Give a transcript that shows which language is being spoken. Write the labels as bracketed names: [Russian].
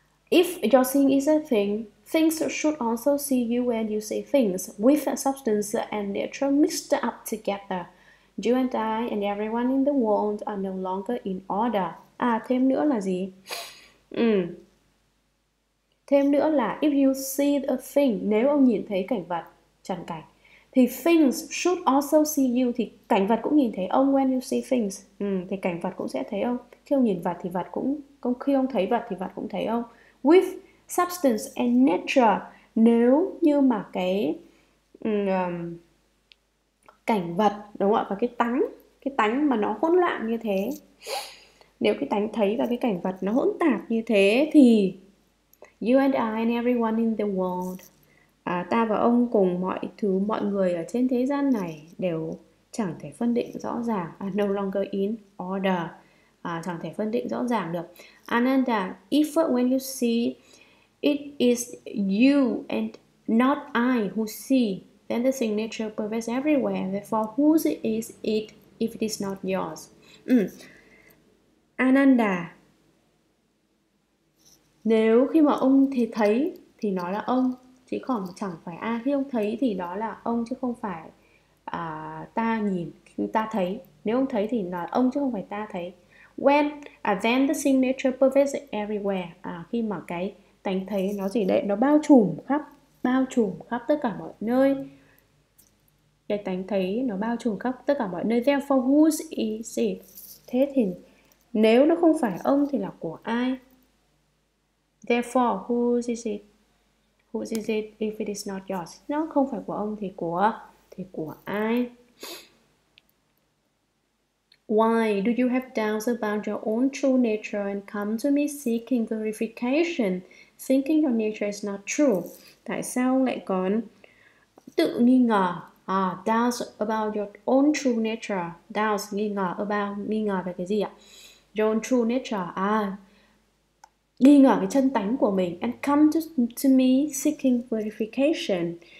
[English] If your seeing is a thing, things should also see you when you see things, with substance and nature mixed up together. You and I and everyone in the world are no longer in order. [Vietnamese] À, thêm nữa là gì? Thêm nữa là [English] if you see a thing, [Vietnamese] nếu ông nhìn thấy cảnh vật, chẳng cảnh, thì [English] things should also see you, [Vietnamese] thì cảnh vật cũng nhìn thấy ông [English] when you see things. [Vietnamese] Thì cảnh vật cũng sẽ thấy ông. Khi ông nhìn vật thì vật cũng, khi ông thấy vật thì vật cũng thấy ông. [English] With substance and nature, [Vietnamese] nếu như mà cái cảnh vật, đúng không ạ, và cái tánh mà nó hỗn loạn như thế, nếu cái tánh thấy và cái cảnh vật nó hỗn tạp như thế, thì [English] you and I and everyone in the world, [Vietnamese] ta và ông cùng mọi thứ, mọi người ở trên thế gian này đều chẳng thể phân định rõ ràng, [English] no longer in order. [Vietnamese] Chẳng thể phân định rõ ràng được. [English] Ananda, if when you see it is you and not I who see, then the signature pervades everywhere. Therefore, whose is it if it is not yours? [Vietnamese] Ananda, nếu khi mà ông thì thấy thì nó là ông, chỉ còn chẳng phải ai. Khi ông thấy thì đó là ông, chứ không phải ta nhìn, ta thấy. Nếu ông thấy thì nó là ông, chứ không phải ta thấy. [English] When then the signature pervades everywhere, [Vietnamese] khi mà cái tánh thấy nó gì đấy, nó bao trùm khắp tất cả mọi nơi. Cái tánh thấy nó bao trùm khắp tất cả mọi nơi. [English] Therefore, whose is it? [Vietnamese] Thế thì nếu nó không phải ông thì là của ai? [English] Therefore, whose is it? Whose is it if it is not yours? [Vietnamese] Nó không phải của ông thì của ai? [English] Why do you have doubts about your own true nature and come to me seeking verification, thinking your nature is not true? [Vietnamese] Tại sao lại còn tự nghi ngờ? [English] Doubts about your own true nature. Doubts, [Vietnamese] nghi ngờ, [English] about, [Vietnamese] nghi ngờ về cái gì ạ? [English] Your own true nature. [Vietnamese] Nghi ngờ cái chân tánh của mình. [English] And come to me seeking verification.